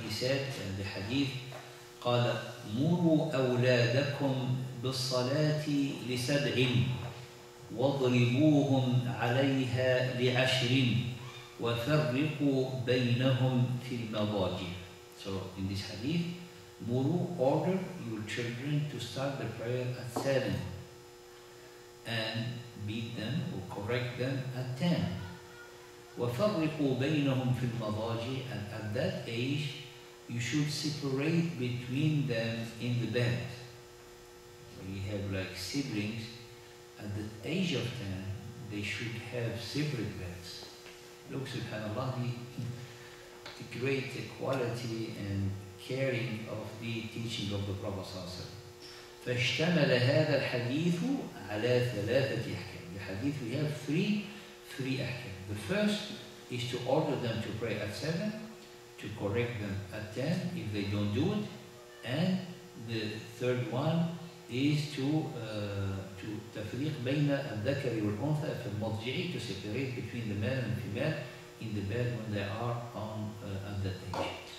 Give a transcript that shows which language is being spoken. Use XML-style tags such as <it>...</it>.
<en>He said in the hadith,</en> <ar>قال مروا أولادكم بالصلاة لسبعين وضربوهم عليها لعشرين وفرقوا بينهم في المضاجع.</ar> <en>So in this hadith, Muru ordered your children to start the prayer at 7 and beat them or correct them at 10.</en> <ar>وفرقوا بينهم في المضاجع.</ar> <en>And at that age, you should separate between them in the bed. So you have like siblings. At the age of 10, they should have separate beds. Look, subhanAllah, the great quality and caring of the teaching of the Prophet sallallahu alaihi wasallam.</en> <ar>فاشتمل هذا الحديث على ثلاثة أحكام.</ar> <en>The hadith, we have three أحكام. The first is to order them to pray at 7, to correct them at 10 if they don't do it, and the third one is to</en> <ar>تفريق بين الذكر والأنثى في المضجع,</ar> <en>to separate between the male and female in the bed when they are on at that age.</en>